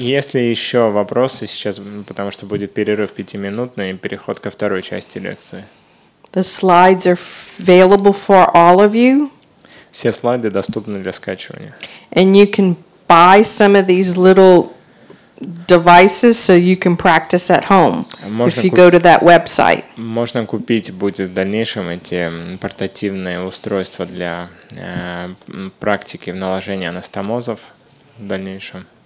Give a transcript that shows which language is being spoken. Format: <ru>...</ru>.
<ru>Есть ли еще вопросы сейчас, потому что будет перерыв 5-минутный и переход ко второй части лекции?</ru> <en>The slides are available for all of you.</en> <ru>Все слайды доступны для скачивания.</ru> <en>And you can buy some of these little devices so you can practice at home if you go to that website.</en> <ru>Можно купить будет в дальнейшем эти портативные устройства для практики наложения анастомозов в дальнейшем.</ru>